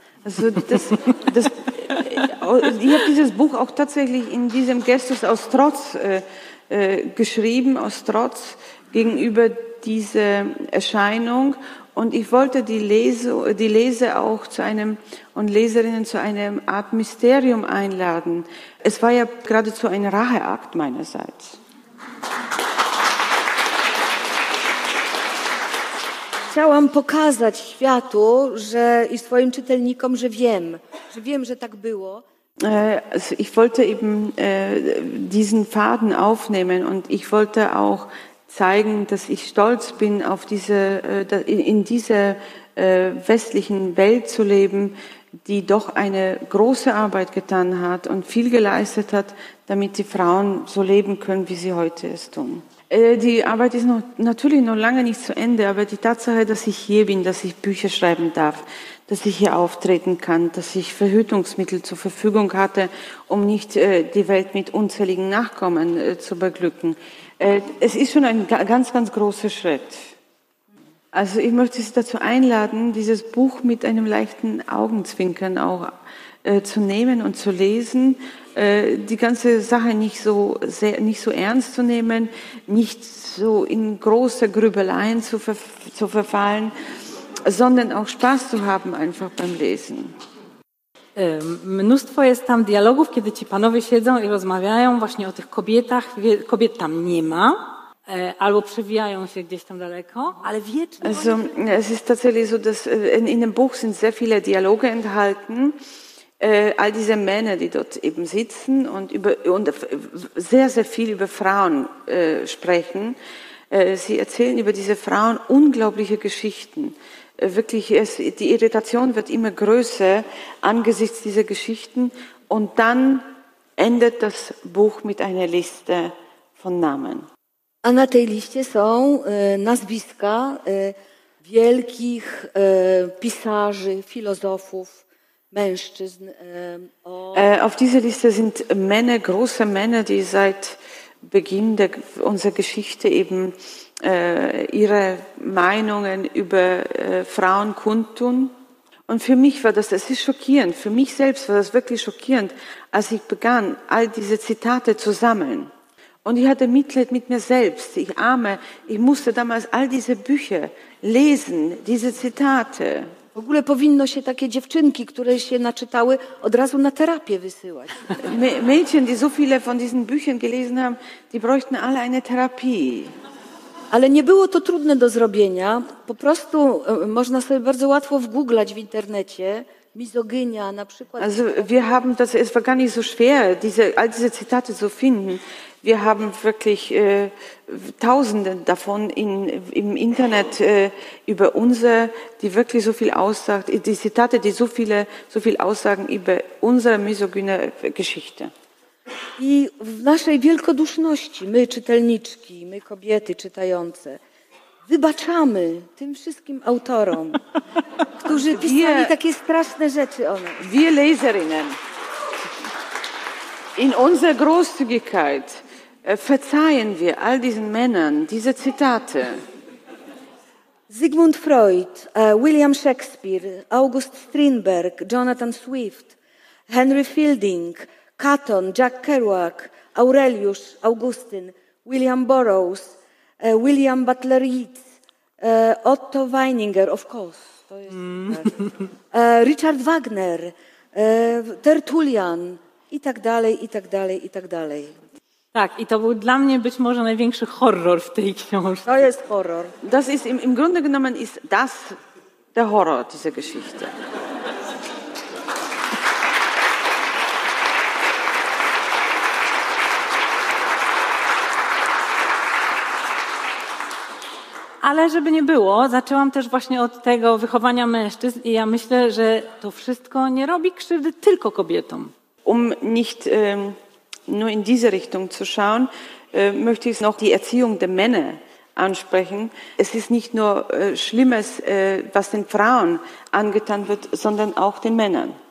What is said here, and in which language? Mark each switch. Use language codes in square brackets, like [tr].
[de] Also das ich habe dieses Buch auch tatsächlich in diesem Gestus aus Trotz geschrieben, aus Trotz gegenüber diese Erscheinung. Und ich wollte die Leser auch zu einem und Leserinnen zu einer Art Mysterium einladen. Es war ja geradezu ein Racheakt meinerseits. [pl] Chciałam pokazać światu, że i swoim czytelnikom, że wiem, że wiem, że tak było. [de] Also ich wollte eben diesen Faden aufnehmen und ich wollte auch zeigen, dass ich stolz bin, auf diese in dieser westlichen Welt zu leben, die doch eine große Arbeit getan hat und viel geleistet hat, damit die Frauen so leben können, wie sie heute es tun. Die Arbeit ist natürlich noch lange nicht zu Ende, aber die Tatsache, dass ich hier bin, dass ich Bücher schreiben darf, dass ich hier auftreten kann, dass ich Verhütungsmittel zur Verfügung hatte, um nicht die Welt mit unzähligen Nachkommen zu beglücken. Es ist schon ein ganz, ganz großer Schritt. Also ich möchte Sie dazu einladen, dieses Buch mit einem leichten Augenzwinkern auch zu nehmen und zu lesen, die ganze Sache nicht so sehr, nicht so ernst zu nehmen, nicht so in große Grübeleien zu verfallen, sondern auch Spaß zu haben einfach beim Lesen. [pl] Mnóstwo jest tam dialogów, kiedy ci panowie siedzą i rozmawiają właśnie o tych kobietach. Kobiet tam nie ma, albo przewijają się gdzieś tam daleko, ale wiecznie... [de] Also, es ist tatsächlich so, dass in dem Buch sind sehr viele Dialoge enthalten. All diese Männer, die dort eben sitzen und sehr, sehr viel über Frauen sprechen. Sie erzählen über diese Frauen unglaubliche Geschichten. Wirklich, die Irritation wird immer größer angesichts dieser Geschichten. Und dann endet das Buch mit einer Liste von Namen. [pl] A na tej liście są nazwiska wielkich pisarzy, filozofów, mężczyzn. [de] Auf dieser Liste sind Männer, große Männer, die seit Beginn unserer Geschichte eben ihre Meinungen über Frauen kundtun. Und für mich war das, ist schockierend, für mich selbst war das wirklich schockierend, als ich begann, all diese Zitate zu sammeln. Und ich hatte Mitleid mit mir selbst. Ich arme, ich musste damals all diese Bücher lesen, diese Zitate. [pl] W ogóle powinno się takie dziewczynki, które się naczytały, od razu na terapię wysyłać. [de] Mädchen, die so viele von diesen Büchern gelesen haben, die bräuchten alle eine Therapie. [pl] Ale nie było to trudne do zrobienia. Po prostu można sobie bardzo łatwo wgooglać w internecie. Misogynia na przykład. [de] Also wir haben, das ist gar nicht so schwer, all diese Zitate zu finden. Wir haben wirklich tausende davon im Internet über unsere, die wirklich so viel aussagt, die Zitate, die so viel aussagen über unsere misogyne Geschichte. [pl] I w naszej wielkoduszności, my czytelniczki, my kobiety czytające, wybaczamy tym wszystkim autorom, którzy pisali takie straszne rzeczy o nas. [de] Wir Leserinnen. In unserer Großzügigkeit verzeihen wir all diesen Männern diese Zitate. [en] Sigmund Freud, William Shakespeare, August Strindberg, Jonathan Swift, Henry Fielding, Catton, Jack Kerouac, Aurelius, Augustine, William Burroughs, William Butler Yeats, Otto Weininger, of course. [pl] To jest, Richard Wagner, Tertullian i tak dalej, i tak dalej, i tak dalej. Tak, i to był dla mnie być może największy horror w tej książce. To jest horror. [de] Das ist im Grunde genommen ist das der Horror dieser Geschichte. [pl] Ale żeby nie było, zaczęłam też właśnie od tego wychowania mężczyzn i ja myślę, że to wszystko nie robi krzywdy tylko kobietom. [de] Nicht nur in diese Richtung zu schauen, möchte ich noch die Erziehung der Männer ansprechen. Es ist nicht nur Schlimmes, was den Frauen angetan wird, sondern auch den Männern.